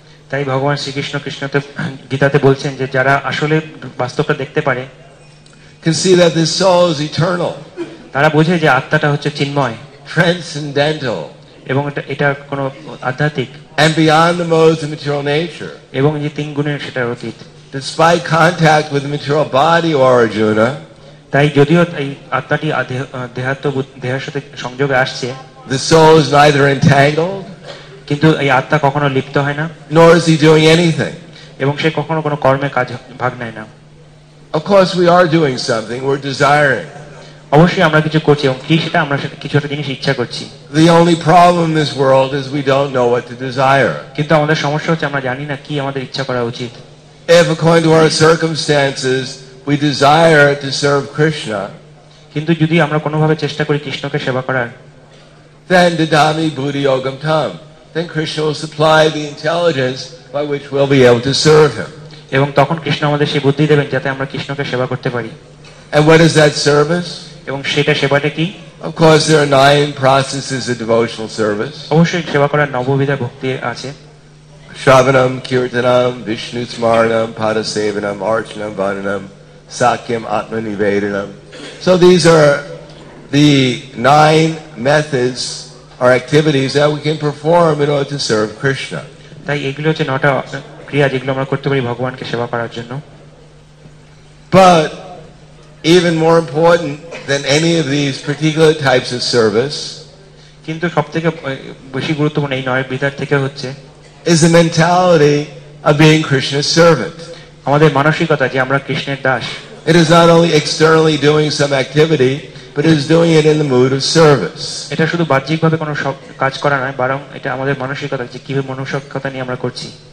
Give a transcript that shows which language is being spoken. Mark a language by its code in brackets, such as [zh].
[bn] তাই ভগবান শ্রী কৃষ্ণ কৃষ্ণতে গীতাতে বলছেন যে যারা আসলে বাস্তবটা দেখতে পারে, [en] can see that this soul is eternal, [bn] তারা বোঝে যে আত্মাটা হচ্ছে চিন্ময়, [en] transcendental, [bn] এবং এটা কোনো আধ্যাত্মিক, [en] and beyond the modes of material nature. [bn] এবং এই তিন গুণের সেটা অতীত. [en] Despite contact with the material body, or Arjuna, [bn] তাই যদিও এই আত্মাটি দেহের সাথে সংযোগে আসছে, [en] the soul is neither entangled, [bn] কিন্তু এই আত্মা কখনো লিপ্ত হয় না, [en] nor is he doing anything, [bn] এবং সে কখনো কোনো কর্মে কাজ ভাগ নেয় না. [en] Of course we are doing something, we're desiring. [bn] অবশ্যই আমরা কিছু করছি এবং কি সেটা আমরা সেটা কিছু একটা জিনিস ইচ্ছা করছি. [en] The only problem in this world is we don't know what to desire. [bn] কিন্তু আমাদের সমস্যা হচ্ছে আমরা জানি না কি আমাদের ইচ্ছা করা উচিত. [en] If according to our circumstances we desire to serve Krishna, [bn] কিন্তু যদি আমরা কোনোভাবে চেষ্টা করি কৃষ্ণকে সেবা করার, [en] then [sa] didami bhuri yogam tam, [en] then Krishna will supply the intelligence by which we'll be able to serve him. [bn] এবং তখন কৃষ্ণ আমাদের সেই বুদ্ধি দেবেন যাতে আমরা কৃষ্ণকে সেবা করতে পারি. [en] And what is that service? [bn] এবং সেটা সেবাটা কি? [en] Of course there are 9 processes of devotional service. [bn] অবশ্যই সেবা করার 9 বিধ ভক্তি আছে. [sa] Shravanam, Kirtanam, Vishnu Smaranam, Padasevanam, Archanam, Vananam, Sakyam, Atmanivedanam. [en] So these are the 9 methods or activities that we can perform in order to serve Krishna. [bn] তাই এগুলো হচ্ছে 9টা ক্রিয়া যেগুলো আমরা করতে পারি ভগবানকে সেবা করার জন্য. [en] But even more important than any of these particular types of service, [bn] কিন্তু সবথেকে বেশি গুরুত্বপূর্ণ এই 9 বিধার থেকে হচ্ছে, [en] is the mentality of being Krishna's servant. [bn] আমাদের মানসিকতা যে আমরা কৃষ্ণের Das. [en] It is not only externally doing some activity, but it is doing it in the mood of service. [bn] এটা শুধু বাহ্যিকভাবে কোনো কাজ করা নয়, বরং এটা আমাদের মানসিকতা যে কিভাবে মনুষ্যকতা নিয়ে আমরা করছি.